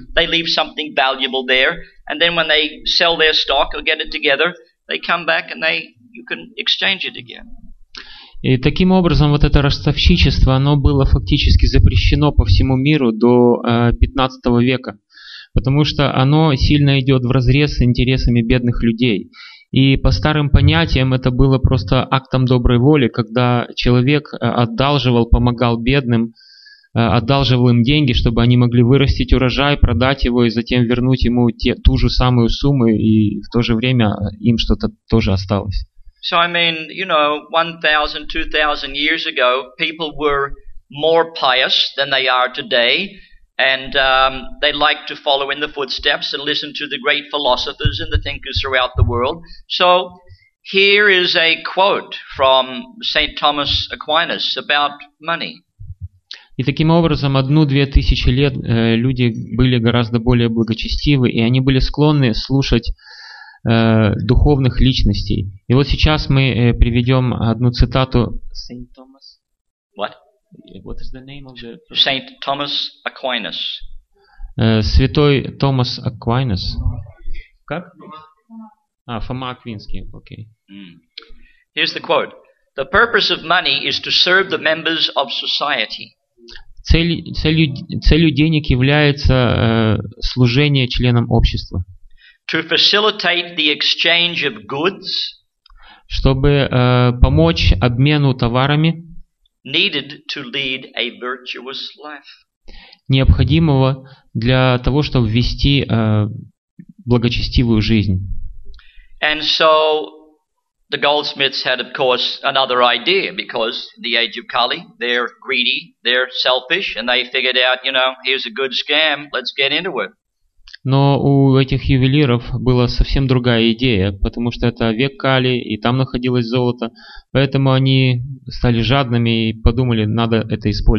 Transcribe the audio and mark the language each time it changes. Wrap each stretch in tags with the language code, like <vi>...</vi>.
<en>They leave something valuable there, and then when they sell their stock or get it together, they come back and you can exchange it again.</en> <ru>И таким образом вот это ростовщичество, оно было фактически запрещено по всему миру до 15 века, потому что оно сильно идет вразрез с интересами бедных людей. И по старым понятиям это было просто актом доброй воли, когда человек одалживал, помогал бедным, одалживал им деньги, чтобы они могли вырастить урожай, продать его и затем вернуть ему ту же самую сумму, и в то же время им что-то тоже осталось.</ru> <en>So I mean, you know, 1,000, 2,000 years ago, people were more pious than they are today, and they liked to follow in the footsteps and listen to the great philosophers and the thinkers throughout the world. So here is a quote from St. Thomas Aquinas about money.</en> <ru>И таким образом, 1-2 тысячи лет люди были гораздо более благочестивы, и они были склонны слушать духовных личностей. И вот сейчас мы приведем одну цитату.</ru> <en>Saint Thomas. What? What is the name of the? Saint Thomas Aquinas.</en> <ru>Святой Томас Аквинас. Как? Фома Аквинский. Okay.</ru> <en>Here's the quote: "The purpose of money is to serve the members of society."</en> <ru>Целью денег является служение членам общества.</ru> <en>To facilitate the exchange of goods,</en> <ru>чтобы помочь обмену товарами,</ru> <en>needed to lead a virtuous life,</en> <ru>необходимого для того, чтобы вести благочестивую жизнь.</ru> <en>And so the goldsmiths had, of course, another idea, because in the age of Kali, they're greedy, they're selfish, and they figured out, you know, here's a good scam, let's get into it.</en> <ru>Но у этих ювелиров была совсем другая идея, потому что это век Кали, и там находилось золото. Поэтому они стали жадными и подумали, надо это</ru>